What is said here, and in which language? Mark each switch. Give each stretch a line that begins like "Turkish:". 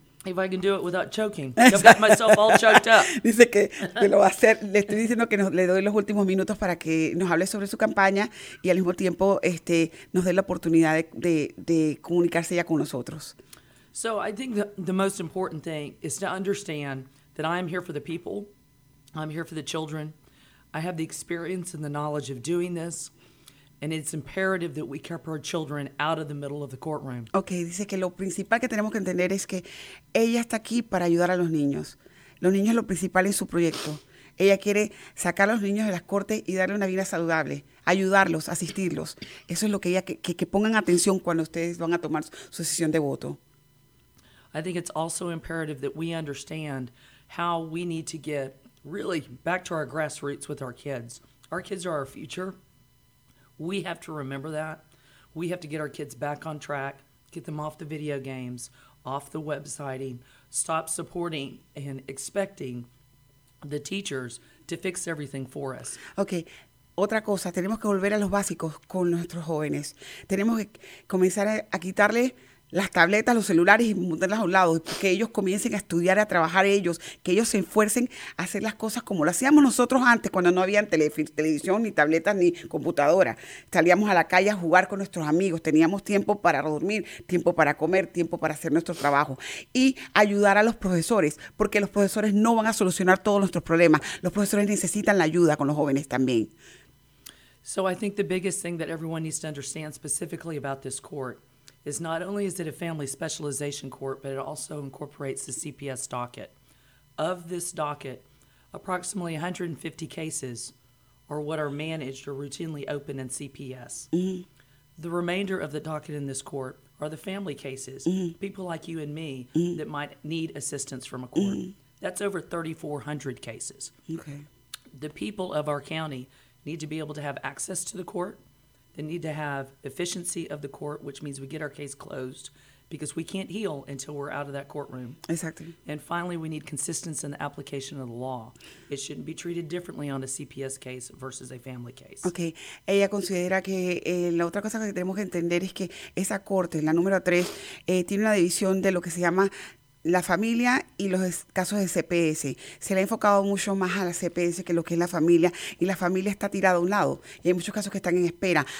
English: If I can do it without choking. I've got myself all choked up.
Spanish: Dice que lo va a hacer. Le estoy diciendo que le doy los últimos minutos para que nos hable sobre su campaña y al mismo tiempo nos dé la oportunidad de comunicarse ya con nosotros.
English: So I think the most important thing is to understand that I'm here for the people. I'm here for the children. I have the experience and the knowledge of doing this. And it's imperative that we keep our children out of the middle of the courtroom.
Spanish: Okay, dice que lo principal que tenemos que entender es que ella está aquí para ayudar a los niños. Los niños es lo principal en su proyecto. Ella quiere sacar a los niños de las cortes y darle una vida saludable, ayudarlos, asistirlos. Eso es lo que ella que pongan atención cuando ustedes van a tomar su decisión de voto.
English: I think it's also imperative that we understand how we need to get really back to our grassroots with our kids. Our kids are our future. We have to remember that. We have to get our kids back on track, get them off the video games, off the websiting, stop supporting and expecting the teachers to fix everything for us. Okay, otra cosa, tenemos que volver a los básicos con nuestros jóvenes. Tenemos que comenzar a quitarle las tabletas, los celulares y mudarlas a un lado, que ellos comiencen a estudiar, a trabajar ellos, que ellos se esfuercen a hacer las cosas como lo hacíamos nosotros antes, cuando no había televisión, ni tabletas, ni computadora. Salíamos a la calle a jugar con nuestros amigos, teníamos tiempo para dormir, tiempo para comer, tiempo para hacer nuestro trabajo. Y ayudar a los profesores, porque los profesores no van a solucionar todos nuestros problemas. Los profesores necesitan la ayuda con los jóvenes también. So I think the biggest thing that everyone needs to understand specifically about this court is not only is it a family specialization court, but it also incorporates the CPS docket. Of this docket, approximately 150 cases are what are managed or routinely open in CPS. Mm-hmm. The remainder of the docket in this court are the family cases, mm-hmm. people like you and me mm-hmm. that might need assistance from a court. Mm-hmm. That's over 3,400 cases. Okay. The people of our county need to be able to have access to the court. They need to have efficiency of the court, which means we get our case closed because we can't heal until we're out of that courtroom. Exactly. And finally, we need consistency in the application of the law. It shouldn't be treated differently on a CPS case versus a family case. Okay.
Spanish: Ella considera que la otra cosa que tenemos que entender es que esa corte, la número 3, tiene una división de lo que se llama la familia y los casos de CPS. Se le ha enfocado mucho más a la CPS que lo que es la familia, y la familia está tirada a un lado, y hay muchos casos que están en espera.